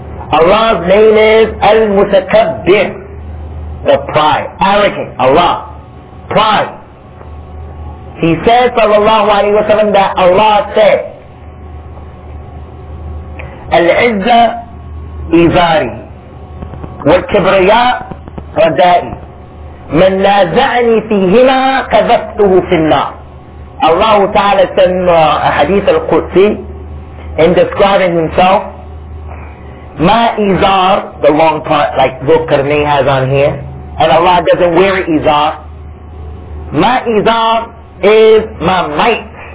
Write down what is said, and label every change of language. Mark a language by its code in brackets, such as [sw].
[en] Allah's name is Al-Mutakabbir. The pride. Arrogant. Allah. Pride. He says, sallallahu alayhi wa sallam, that Allah said, [ar] Al-Izza Izari. Wal-Kibriya Radai. من نازعني فيهما قذفته في النار. [en] Allah Ta'ala said in a hadith al-Qudsi, in describing himself, my izar, the long part like Dhulqarnayn has on here, and Allah doesn't wear izar, my izar is my might.